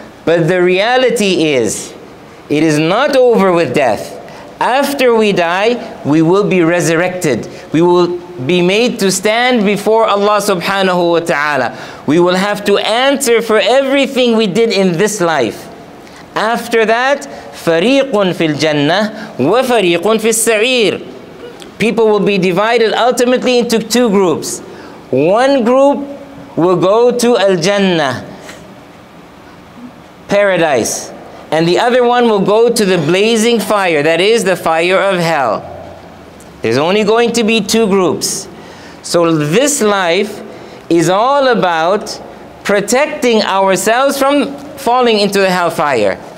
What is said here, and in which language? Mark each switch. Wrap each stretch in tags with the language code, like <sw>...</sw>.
<en>But the reality is, it is not over with death. After we die, we will be resurrected. We will be made to stand before Allah subhanahu wa ta'ala. We will have to answer for everything we did in this life. After that,</en> <ar>فَرِيقٌ فِي الْجَنَّةِ وَفَرِيقٌ فِي السَّعِيرِ.</ar> <en>People will be divided ultimately into two groups. One group will go to al-Jannah, paradise. And the other one will go to the blazing fire, that is the fire of hell. There's only going to be two groups. So this life is all about protecting ourselves from falling into the hellfire.</en>